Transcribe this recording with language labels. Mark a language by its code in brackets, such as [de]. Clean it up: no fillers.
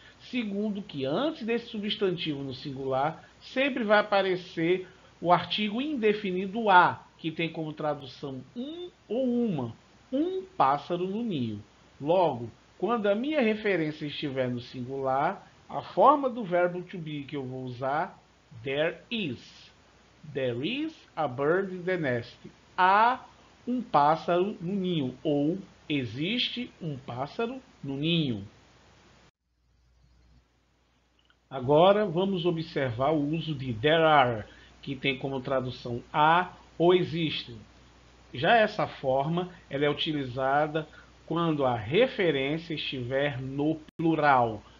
[pt] Segundo, que antes desse substantivo no singular, sempre vai aparecer o artigo indefinido a, que tem como tradução um ou uma. Um pássaro no ninho. Logo, quando a minha referência estiver no singular, a forma do verbo to be que eu vou usar, there is. [en] There is a bird in the nest. [pt] Há um pássaro no ninho. Ou existe um pássaro no ninho. Agora vamos observar o uso de there are, que tem como tradução há ou existe. Já essa forma, ela é utilizada quando a referência estiver no plural.